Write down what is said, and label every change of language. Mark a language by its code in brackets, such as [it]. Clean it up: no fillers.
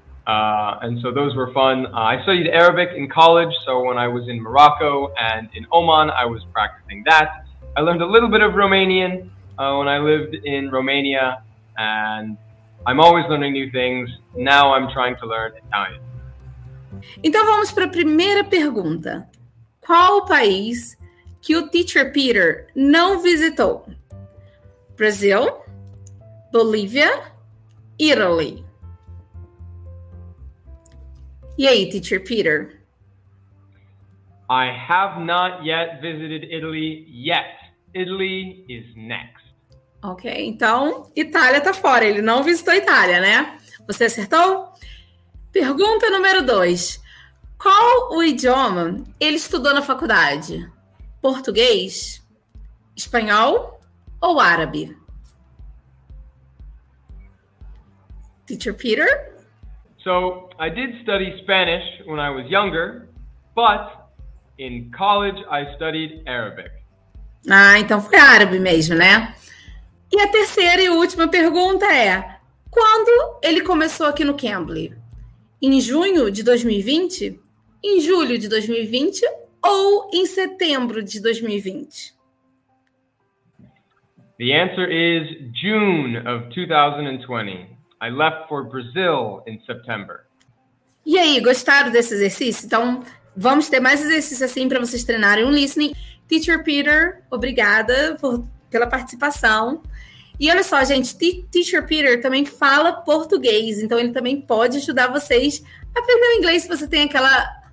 [en] And so those were fun. I studied Arabic in college, so when I was in Morocco and in Oman, I was practicing that. I learned a little bit of Romanian when I lived in Romania, and I'm always learning new things. Now I'm trying to learn Italian. [pt] Então vamos para a primeira pergunta. Qual o país que o Teacher Peter não visitou? [en] Brazil, Bolívia, Italy. Yay, Teacher Peter. I have not yet visited Italy yet. Italy is next. [pt] Ok, então Itália tá fora. Ele não visitou a Itália, né? Você acertou? Pergunta número 2. Qual o idioma ele estudou na faculdade? Português, espanhol ou árabe? Teacher Peter? [en] So I did study Spanish when I was younger, but in college I studied Arabic. [pt] Ah, então foi árabe mesmo, né? E a terceira e última pergunta é, quando ele começou aqui no Cambly? Em junho de 2020, em julho de 2020 ou em setembro de 2020? [en] The answer is June of 2020. I left for Brazil in September. [pt] E aí, gostaram desse exercício? Então, vamos ter mais exercícios assim para vocês treinarem um listening. Teacher Peter, obrigada pela participação. E olha só, gente, Teacher Peter também fala português, então ele também pode ajudar vocês a aprender o inglês se você tem aquela